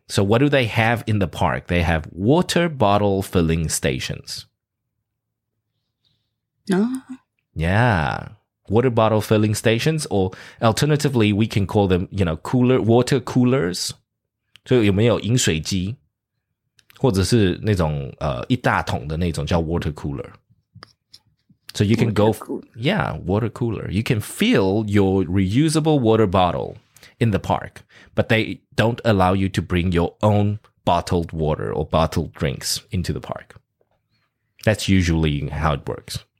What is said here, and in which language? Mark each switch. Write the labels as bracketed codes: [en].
[en] So what do they have in the park? They have water bottle filling stations. No. Yeah. Water bottle filling stations, or alternatively, we can call them, you know, water coolers. [zh] 所以有没有饮水机? 或者是那种一大桶的那种 叫water cooler. [en] So you can water cooler. You can fill your reusable water bottle in the park, but they don't allow you to bring your own bottled water or bottled drinks into the park. That's usually how it works.